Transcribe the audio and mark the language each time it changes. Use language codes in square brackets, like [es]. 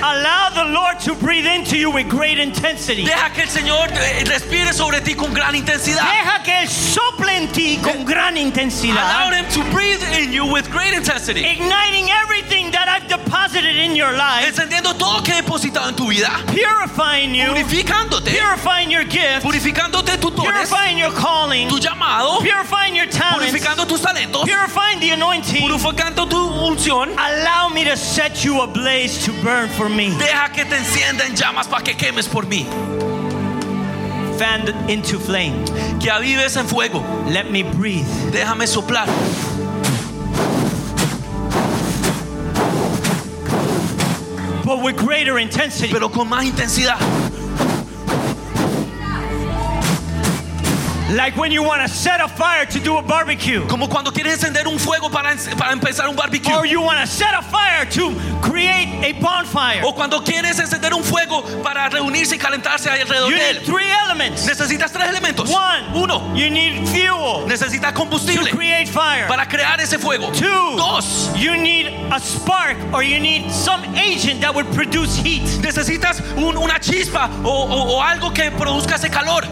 [en] allow the Lord to breathe into you with great intensity. [es] Deja que el Señor respire sobre ti con gran intensidad. Deja que él sople en ti con gran intensidad. [en] Allow him to breathe in you with great intensity. Igniting everything that I've deposited in your life. [es] Encendiendo todo que he depositado en tu vida. [en] Purifying you. [es] Purificándote. [en] Purifying your gifts. [es] Purificándote tus dones. [en] Purifying your calling. [es] Tu llamada. [en] Purifying your talents. [es] Purificando tus talentos. [en] Purifying the anointing. [es] Purificando tu unción. [en] Allow me to set you ablaze to burn for me. [es] Deja que te encienda en llamas para que quemes por mí. [en] Fan into flame. [es] Que avives en fuego. [en] Let me breathe. [es] Déjame soplar. [en] But with greater intensity. [es] Pero con más intensidad. [en] Like when you want to set a fire to do a barbecue. [es] Como cuando quieres encender un fuego para empezar un barbecue. [en] Or you want to set a fire to create a bonfire. [es] O cuando quieres encender un fuego para reunirse y calentarse alrededor [en] you [es] de él. [en] You need three elements. [es] Necesitas tres elementos. [en] One. [es] Uno. [en] You need fuel. [es] Necesitas combustible. [en] To create fire. [es] Para crear ese fuego. [en] Two. [es] Dos. [en] You need a spark or you need some agent that would produce heat. [es] Necesitas una chispa o algo que produzca ese calor.